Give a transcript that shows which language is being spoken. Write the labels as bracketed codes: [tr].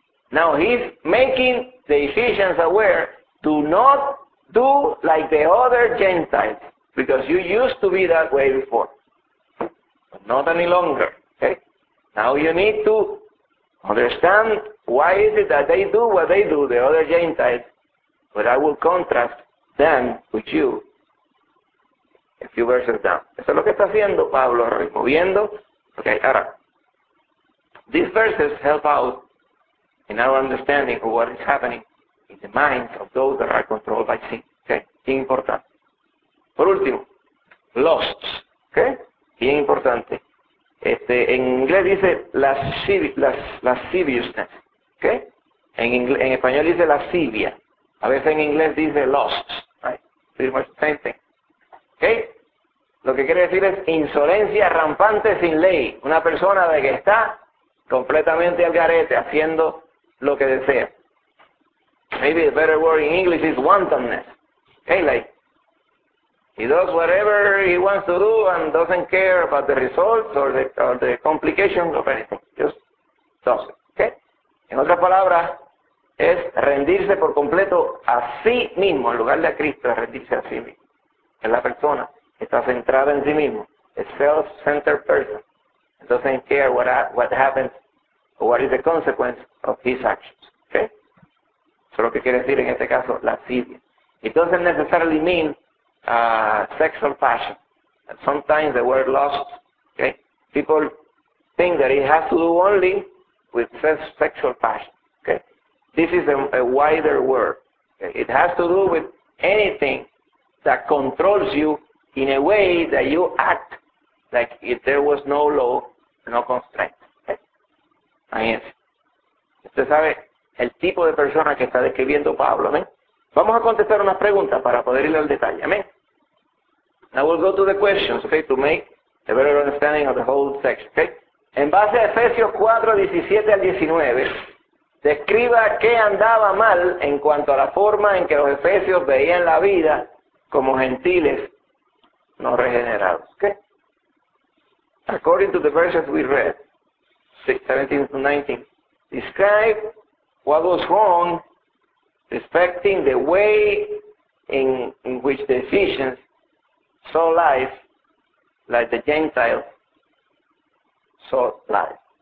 [en] Now he's making the Ephesians aware, do not do like the other Gentiles, because you used to be that way before. But not any longer. Okay? Now you need to understand why is it that they do what they do, the other Gentiles, but I will contrast them with you a few verses down. [es] Eso es lo que está haciendo Pablo, removiendo. [en] Okay, ahora, these verses help out in our understanding of what is happening in the minds of those that are controlled by sin. [es] Okay? Bien importante. Por último, lusts. Okay? Bien importante. En inglés dice lasciviousness. Okay? En español dice lascivia. A veces en inglés dice lusts. [en] Right? Pretty much the same thing. Okay? [es] Lo que quiere decir es insolencia rampante sin ley. Una persona de que está completamente al garete haciendo lo que desea. [en] Maybe a better word in English is wantonness. Okay, like, he does whatever he wants to do and doesn't care about the results or the complications of anything. Just does it. Okay? [es] En otras palabras, es rendirse por completo a sí mismo, en lugar de a Cristo, es rendirse a sí mismo. Es la persona que está centrada en sí mismo. [en] A self-centered person. Doesn't care what happens. What is the consequence of his actions? Okay? [es] Eso es lo que quiere decir en este caso, lascivia. [en] It doesn't necessarily mean sexual passion. Sometimes the word lust, okay? People think that it has to do only with sexual passion. Okay. This is a wider word. It has to do with anything that controls you in a way that you act like if there was no law, no constraint. [es] Okay. Ahí es. Usted sabe el tipo de persona que está describiendo Pablo, ¿amén? Vamos a contestar unas preguntas para poder ir al detalle, ¿amén? [en] Now we'll go to the questions, okay, to make a better understanding of the whole section, okay? [es] En base a Efesios 4, 17 al 19, describa qué andaba mal en cuanto a la forma en que los efesios veían la vida como gentiles no regenerados, okay? [en] According to the verses we read, 17-19, describe what was wrong respecting the way in which the Ephesians saw life like the Gentiles saw life.